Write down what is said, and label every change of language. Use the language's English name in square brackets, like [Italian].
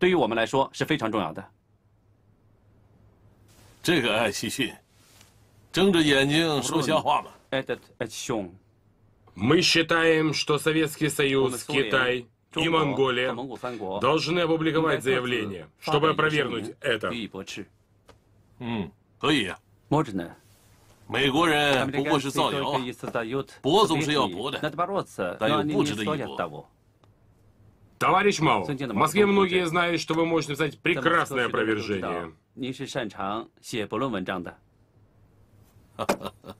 [Chinese] 中国将北部的四个区域割让给了苏联，苏联正在将中国北部地区实行合并，这种在外蒙所实行了的办法，在满洲亦几乎实行了。我相信苏联的代理人会从内蒙和新疆向莫斯科做很好的报告，这就是现在的情形，即中国北部的广大地区和中国脱离与苏联合并。苏联占据中国北部的四个区域，对于与亚洲有关的强国来说是重要的事实，对于我们来说是非常重要的。这个艾希逊睁着眼睛说瞎话吗？哎，艾希逊。 [Russian] Мы считаем, что Советский Союз, Китай и Монголия должны опубликовать заявление, чтобы опровергнуть это. [Chinese] 予以驳斥。嗯，可以。 [Russian] можно. [Chinese] 美国人不过是造谣，搏总是要搏的，但又不值得一搏。 [Russian] Товарищ Мао, в Москве многие знают, что вы можете написать прекрасное опровержение. [Chinese] 您是擅长写驳论文章的。